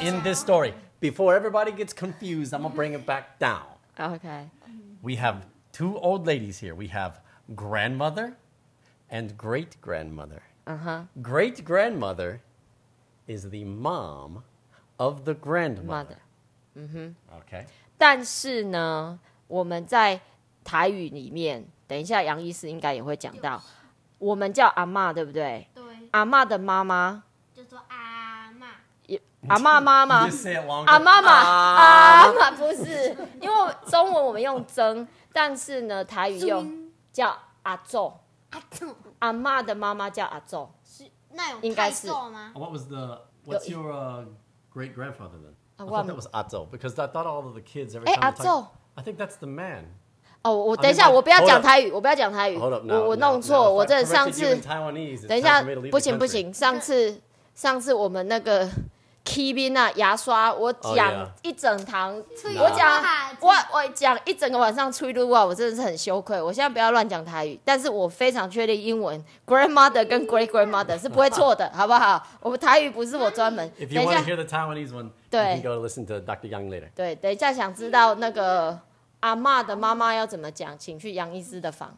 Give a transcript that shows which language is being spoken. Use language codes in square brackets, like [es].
[en] In this story, before everybody gets confused, I'm going to bring it back down. Okay. We have... two old ladies here. We have grandmother and great-grandmother. Uh-huh. Great-grandmother is the mom of the grandmother. Mm-hmm. Okay. [zh] 但是呢，我们在台语里面，等一下杨医师应该也会讲到，我们叫阿嬷，对不对？对。阿嬷的妈妈就说阿嬷。阿嬷妈妈。阿嬷嬷。阿嬷不是，因为中文我们用曾。但是呢，台语用叫阿祖，阿祖，阿嬷的妈妈叫阿祖，是那有应该是吗 [en] ？What was the What's your great grandfather then? I thought that was 阿祖 because I thought all of the kids every time. [zh] 哎，阿祖 [en] ，I think that's the man. [zh] 哦，我等一下，我不要讲台语，我不要讲台语， [en] hold up, [zh] 我弄错，我这上次 [en] Taiwanese, [zh] 等一下，不行不行，上次我们那个。 Kevin 啊，牙刷，我讲一整堂， [en] oh, yeah. [zh] 我讲我讲一整个晚上吹噜啊，我真的是很羞愧。我现在不要乱讲台语，但是我非常确定英文 [en] grandmother [zh] 跟 [en] great grandmother [zh] 是不会错的，好不好？我们台语不是我专门。 [en] If you want to hear the Taiwanese one, you can go listen to Dr. Yang later. [zh] 对，等一下想知道那个阿嬷的妈妈要怎么讲，请去杨医师的房。